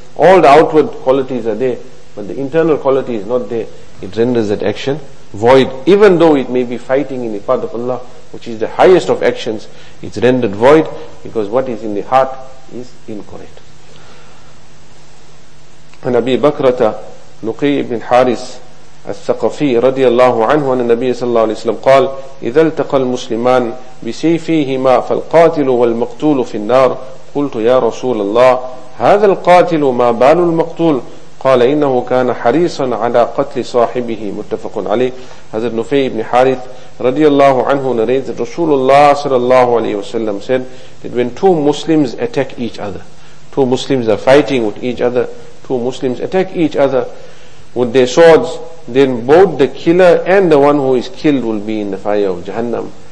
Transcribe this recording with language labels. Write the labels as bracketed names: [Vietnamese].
[English] All the outward qualities are there, but the internal quality is not there. It renders that action void. Even though it may be fighting in the path of Allah, which is the highest of actions, it's rendered void because what is in the heart is incorrect. And Abi Bakrata [Arabic] Luqay ibn Haris al-Thaqafi radiyallahu anhu anna Nabi sallallahu alayhi wa sallam qal إذا التقى المسلمان بسيفيهما فالقاتل والمقتول في النار قلت يا رسول الله هذا القاتل ما بال المقتول قال إنه كان حريصا على قتل صاحبه متفق عليه. حضرت نفي بن حارث رضي الله عنه [English] narrates that Rasulullah [Arabic] sallallahu alayhi wa sallam [English] said that when two Muslims attack each other, two Muslims are fighting with each other, two Muslims attack each other with their swords, then both the killer and the one who is killed will be in the fire of Jahannam.